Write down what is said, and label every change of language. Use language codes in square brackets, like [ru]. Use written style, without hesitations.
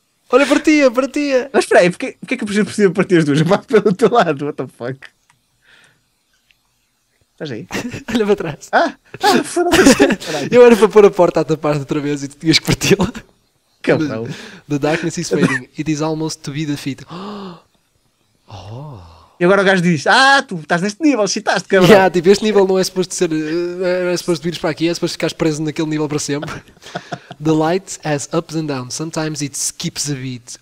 [pt] Olha, partia, partia! Mas espera aí, porque é que eu preciso partir as duas? Eu bato pelo teu lado, [en] what the fuck? [pt] Estás aí? Olha para trás. Ah! Ah! Foda-se, caralho! Eu era para pôr a porta a tapar outra vez e tu tinhas que parti-la. Cabrão! [en] The darkness is fading. It is almost to be defeated. Oh! [pt] E agora o gajo diz, ah, tu estás neste nível, citaste, cabrão. Yeah, tipo, este nível não é suposto ser, não é suposto vires para aqui, é suposto ficares preso naquele nível para sempre. [en] The light has ups and downs, sometimes it skips a beat.